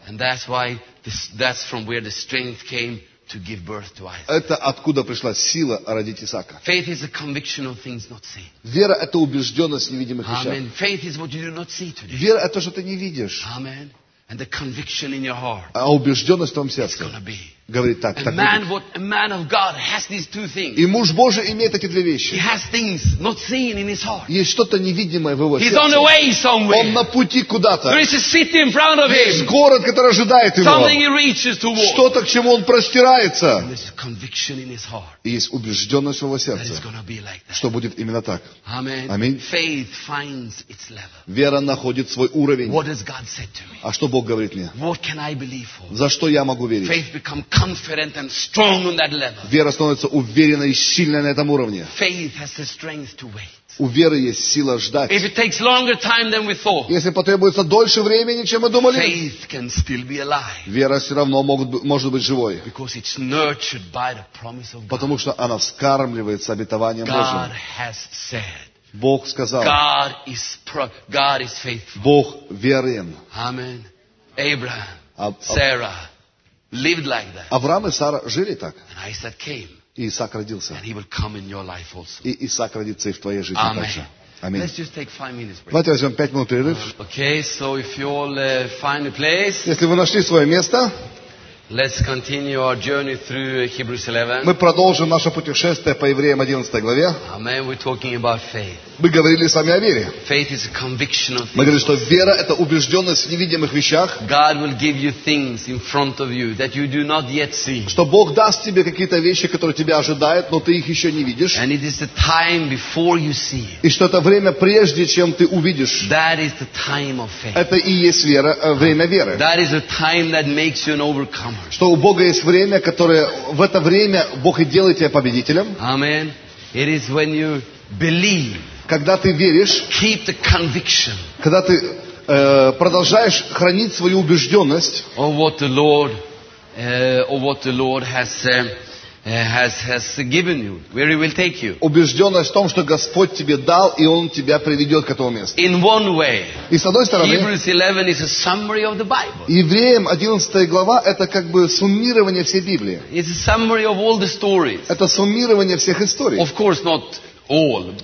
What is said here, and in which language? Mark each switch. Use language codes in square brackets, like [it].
[en] And that's why that's from where the strength came. To give birth to Isaac. [ru] Это откуда пришла сила родить Исаака. [en] Faith is a conviction of things not seen. [ru] Вера это убежденность в невидимых вещах. [en] Amen. Faith is what you do not see today. [ru] Вера это то, что ты не видишь. [en] Amen. And the conviction in your heart. [ru] А убежденность в твоем сердце. [en] It's gonna be. [ru] Говорит так. [en] A man, what a man of God has these two things. [ru] И муж Божий имеет эти две вещи. [en] He has things not seen in his heart. [ru] Есть что-то невидимое в его сердце. [en] He's on the way somewhere. [ru] Он на пути куда-то. [en] There is a city in front of him. [ru] Есть город, который ожидает его. [en] Something he reaches towards. [ru] Что-то, к чему он простирается. [en] And there's a conviction in his heart. [ru] И есть убежденность в его сердце. [en] That is gonna be like that. [ru] Что будет именно так. [en] Amen. [ru] Аминь. [en] Faith finds its level. [ru] Вера находит свой уровень. [en] What has God said to me? [ru] А что Бог говорит мне? [en] What can I believe for? [ru] За что я могу верить? [en] Faith become confident and strong on that level. [ru] Вера становится уверенной и сильной на этом уровне. [en] Faith has the strength to wait. [ru] У веры есть сила ждать. [en] If it takes longer time than we thought. [ru] Если потребуется дольше времени, чем мы думали. [en] Faith can still be alive. [ru] Вера все равно может быть живой. [en] Because it's nurtured by the promise of God. [ru] Потому что она вскармливается обетованием [en] God [ru] Божьим. [en] God has said. [ru] Бог сказал. [en] God is faithful. [ru] Бог верен. [en] Amen. Abraham. Sarah. Lived like that. [ru] Авраам и Сара жили так. [en] And Isaac came. [ru] И Исаак родился. [en] And he will come in your life also. [ru] И Исаак родится и в твоей жизни [en] Amen. [ru] Также. Аминь. [en] Let's just take 5 minutes break. [ru] Давайте возьмем 5 минут перерыв. [en] Okay, so if you all find a place. [ru] Если вы нашли свое место. [en] Let's continue our journey through Hebrews 11. [ru] Мы продолжим наше путешествие по Евреям 11 главе. [en] Amen. We're talking about faith. [ru] Мы говорили с вами о вере. [en] Faith is a conviction of [ru] Мы говорили, что вера это убежденность в невидимых вещах. [en] God will give you things in front of you that you do not yet see. [ru] Что Бог даст тебе какие-то вещи, которые тебя ожидают, но ты их еще не видишь. [en] And it is the time before you see. [ru] И что это время прежде, чем ты увидишь. [en] That is the time of faith. [ru] Это и есть вера, время веры. [en] That is the time that makes you an overcomer. [ru] Что у Бога есть время, которое в это время Бог и делает тебя победителем. [en] Amen. It is when you believe. [ru] Когда ты веришь, [en] keep the conviction, [ru] когда ты продолжаешь хранить свою убежденность [en] of what the Lord has has given you, where he will take you. [ru] Убежденность в том, что Господь тебе дал, и Он тебя приведет к этому месту. [en] In one way. [ru] И с одной стороны, [en] Hebrews 11 is a summary of the Bible. [ru] Евреям 11 глава это как бы суммирование всей Библии. [en] It's a summary of all the stories. [ru] Это суммирование всех историй. [en] Of course not all.